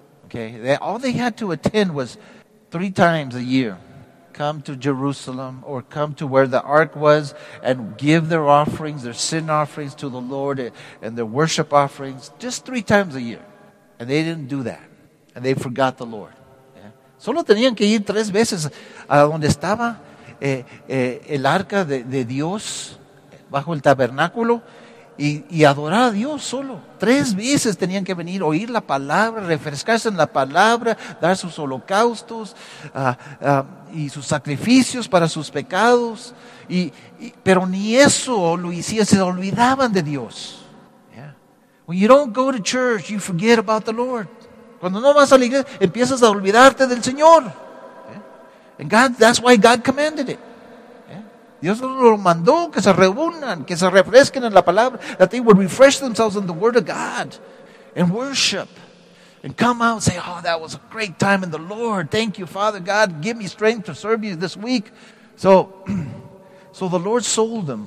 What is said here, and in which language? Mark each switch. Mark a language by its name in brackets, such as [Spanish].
[English] Okay, all they had to attend was three times a year. Come to Jerusalem or come to where the ark was and give their offerings, their sin offerings to the Lord and their worship offerings just three times a year. And they didn't do that. And they forgot the Lord. Yeah. [Spanish] Solo tenían que ir tres veces a donde estaba el arca de Dios bajo el tabernáculo y adorar a Dios solo. Tres veces tenían que venir, oír la palabra, refrescarse en la palabra, dar sus holocaustos y sus sacrificios para sus pecados. Pero ni eso lo hicieron, se olvidaban de Dios. [English] Yeah. When you don't go to church, you forget about the Lord. [Spanish] Cuando no vas a la iglesia, empiezas a olvidarte del Señor. [English] And God, that's why God commanded it. [Spanish] Dios lo mandó que se reúnan, que se refresquen en la palabra, [English] that they would refresh themselves in the word of God and worship and come out and say, oh, that was a great time in the Lord. Thank you, Father God. Give me strength to serve you this week. So the Lord sold them.